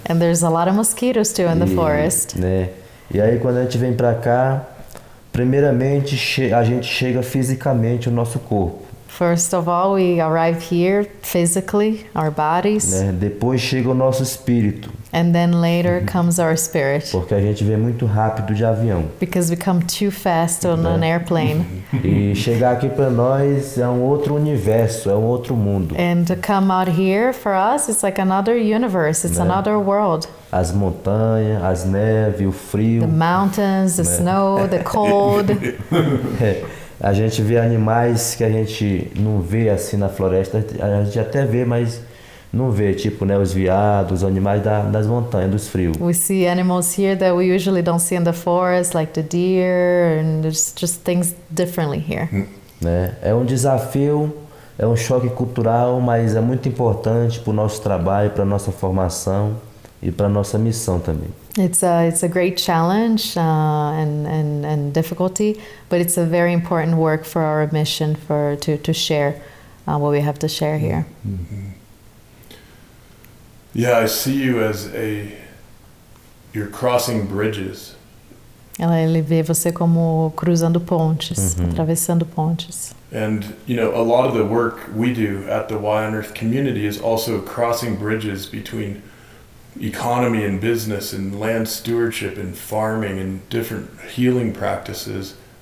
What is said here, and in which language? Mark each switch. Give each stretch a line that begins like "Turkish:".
English: And there's a lot of mosquitoes too in the forest.
Portuguese: Né? E aí quando a gente vem pra cá, primeiramente a gente chega fisicamente no nosso corpo.
English: First of all, we arrive here physically, our bodies.
Portuguese: Né? Depois chega o nosso espírito.
English: And then later comes our spirit.
Portuguese: Porque a gente vem muito rápido de avião.
English: Because we come too fast on an airplane.
Portuguese: E chegar aqui para nós é um outro universo, é um outro mundo.
English: And to come out here for us, it's like another universe, it's, né, another world.
Portuguese: As montanhas, as neves, o frio.
English: The mountains, the, né, snow, the cold.
Portuguese: A gente vê animais que a gente não vê assim na floresta, a gente até vê, mas não vê, tipo, né, os veados, os animais das montanhas, dos frios.
English: We see animals here that we usually don't see in the forest, like the deer, and there's just things differently here.
Portuguese: Né? É um desafio, é um choque cultural, mas é muito importante para o nosso trabalho, para a nossa formação e para a nossa missão também.
English: It's a great challenge and difficulty, but it's a very important work for our mission to share what we have to share here. Mm-hmm. Yeah, I see you as you're crossing bridges.
Portuguese: Ele vê você como cruzando pontes, mm-hmm, atravessando pontes.
English: And you know, a lot of the work we do at the Why on Earth community is also crossing bridges between economy and business and land stewardship and farming and different healing practices.